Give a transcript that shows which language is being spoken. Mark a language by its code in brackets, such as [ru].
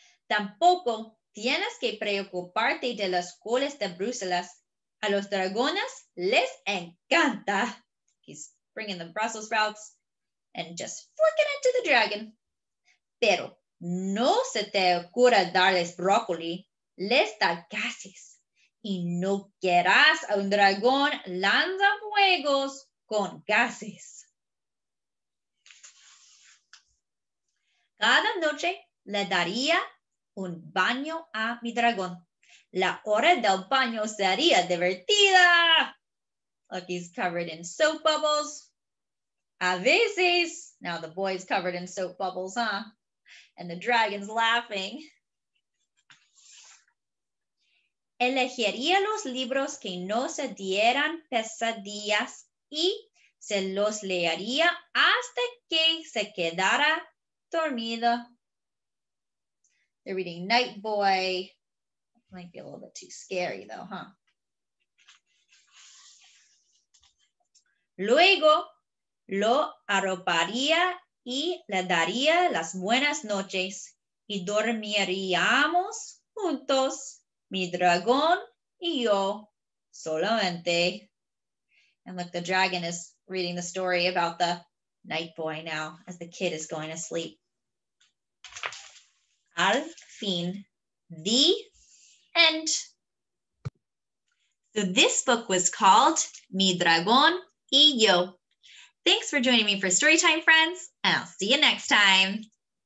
[es] Tampoco tienes que preocuparte de las colas de Bruselas. A los dragones les encanta. [en] He's bringing the Brussels sprouts and just flicking it to the dragon. [es] Pero no se te ocurra darles brócoli. Les da gases. Y no quieras a un dragón lanza fuegos con gases. Cada noche le daría un baño a mi dragón. La hora del baño sería divertida. [en] Look, he's covered in soap bubbles. [es] A veces. [en] Now the boy's covered in soap bubbles, huh? And the dragon's laughing. [es] Elegiría los libros que no se dieran pesadillas y se los leería hasta que se quedara dormida. [en] They're reading Night Boy. Might be a little bit too scary though, huh? [es] Luego lo arroparía y le daría las buenas noches y dormiríamos juntos, mi dragón y yo, solamente. [en] And look, the dragon is reading the story about the night boy now as the kid is going to sleep. [es] Al fin, [en] the end. So this book was called Mi Dragón y Yo. Thanks for joining me for Storytime, friends, and I'll see you next time.